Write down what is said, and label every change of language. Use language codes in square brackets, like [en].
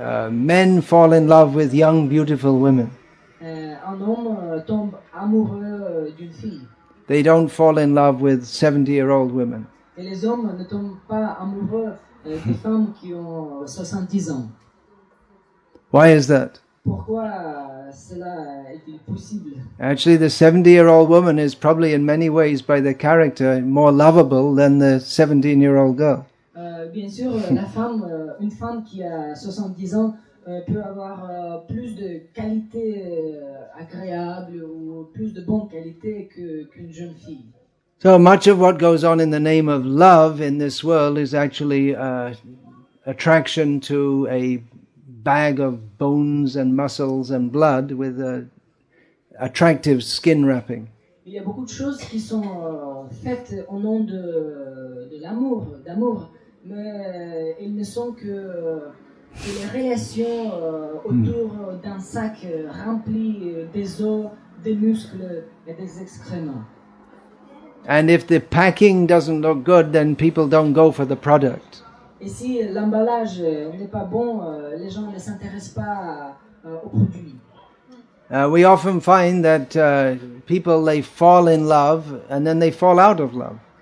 [en] Men fall in love with young, beautiful women. [fr] Un homme tombe amoureux d'une fille. [en] They don't fall in love with 70-year-old women. [fr] Et les hommes ne tombent pas amoureux des femmes qui ont 70 ans. [en] Why is that? [fr] Pourquoi cela est-il possible? [en] Actually, the 70-year-old woman is probably in many ways, by the character, more lovable than the 17-year-old girl. [fr] Bien sûr, la femme, une femme qui a 70 ans peut avoir plus de qualités agréables ou plus de bonnes qualités qu'une jeune fille. [en] So much of what goes on in the name of love in this world is actually attraction to a bag of bones and muscles and blood with an attractive skin wrapping. [fr] Il y a beaucoup de choses qui sont faites au nom de l'amour, d'amour, mais ils ne sont que les relations autour d'un sac rempli des os, des muscles et des excréments. [en] And if the packing doesn't look good, then people don't go for the product. [fr] Et si l'emballage n'est pas bon, les gens ne s'intéressent pas au produit. [en] We often find that people, they fall in love and then they fall out of love.